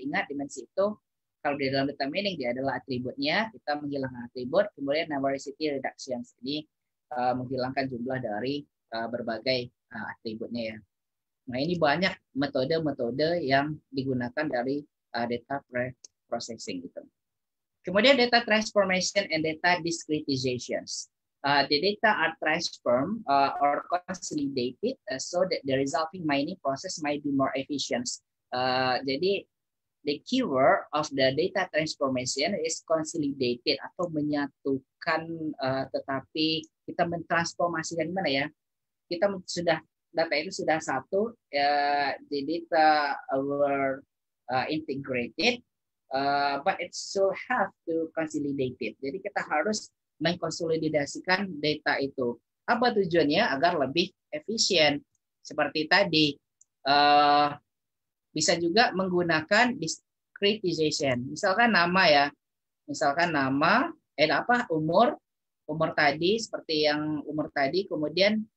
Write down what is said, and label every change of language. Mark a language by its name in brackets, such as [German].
[Indonesian] Ingat dimensi itu, kalau di dalam data mining dia adalah atributnya, kita menghilangkan atribut, kemudian numericity reduction ini menghilangkan jumlah dari berbagai atributnya ya. Nah, ini banyak metode-metode yang digunakan dari data pre-processing itu. Kemudian data transformation and data discretizations. [English] The data are transformed or consolidated so that the resulting mining process might be more efficient. Jadi the keyword of the data transformation is consolidated [Indonesian] atau menyatukan, tetapi kita mentransformasikan gimana ya? Kita sudah data itu sudah satu, [English] the data were integrated, but it still have to consolidated. [Indonesian] Jadi kita harus mengkonsolidasikan data itu. Apa tujuannya? Agar lebih efisien. Seperti tadi, bisa juga menggunakan discretization. Misalkan nama ya, misalkan nama, umur tadi, seperti yang umur tadi, kemudian